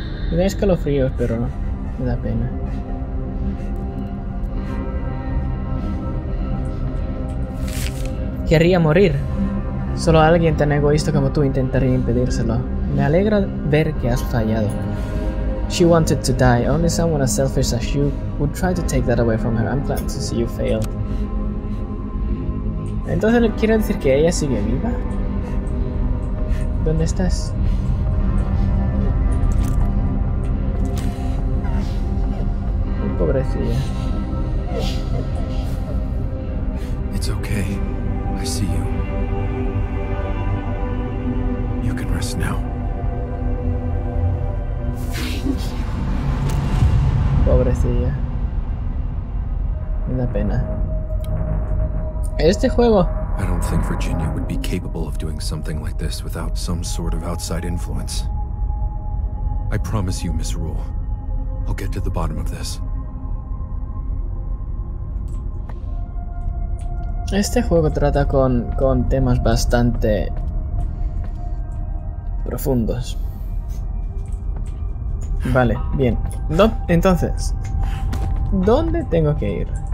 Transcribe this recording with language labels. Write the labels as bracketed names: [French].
[Spanish] Me da escalofríos, pero no. Me da pena. Querría morir. Solo alguien tan egoísta como tú intentaría impedírselo. Me alegra ver que has fallado. [English] She wanted to die. Only someone as selfish as you would try to take that away from her. I'm glad to see you fail. [Spanish] Entonces, ¿quiere decir que ella sigue viva? ¿Dónde estás? Pobrecilla. [English] It's okay. I see you. You can rest now. Thank you. [Spanish] Pobrecilla. Una pena. Este juego. [English] I don't think Virginia would be capable of doing something like this without some sort of outside influence. I promise you, Miss Rule. I'll get to the bottom of this. [Spanish] Este juego trata con temas bastante profundos. Vale, bien. Entonces, ¿dónde tengo que ir?